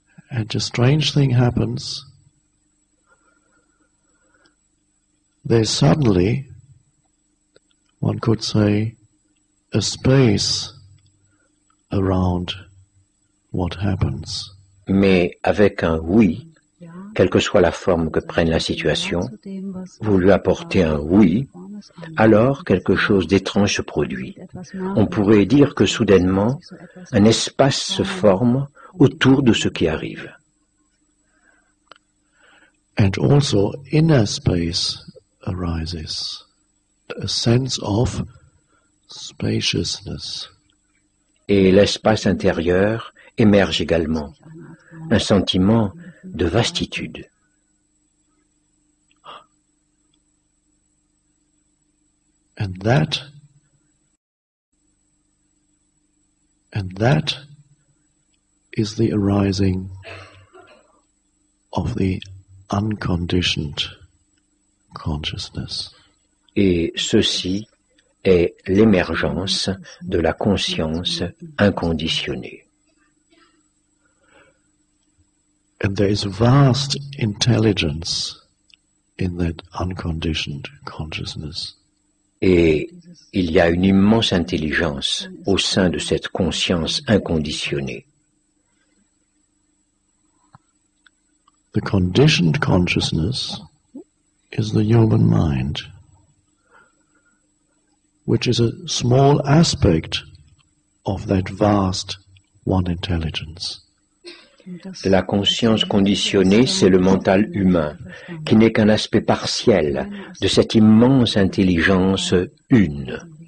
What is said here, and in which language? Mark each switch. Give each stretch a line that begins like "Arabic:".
English: And a strange thing happens. There's suddenly, one could say, a space around what happens.
French: Mais avec un oui, quelle que soit la forme que prenne la situation, vous lui apportez un oui, alors quelque chose d'étrange se produit. On pourrait dire que soudainement, un espace se forme autour de ce qui arrive.
English: And also inner space arises, a sense of spaciousness.
French: Et l'espace intérieur émerge également, un sentiment de vastitude.
English: And that is the arising of the unconditioned consciousness.
French: Et ceci est l'émergence de la conscience inconditionnée.
English: And there is vast intelligence in that unconditioned consciousness.
French: Et il y a une immense intelligence au sein de cette conscience inconditionnée.
English: The conditioned consciousness is the human mind, which is a small aspect of that vast one intelligence.
French: De la conscience conditionnée, c'est le mental humain, qui n'est qu'un aspect partiel de cette immense intelligence une.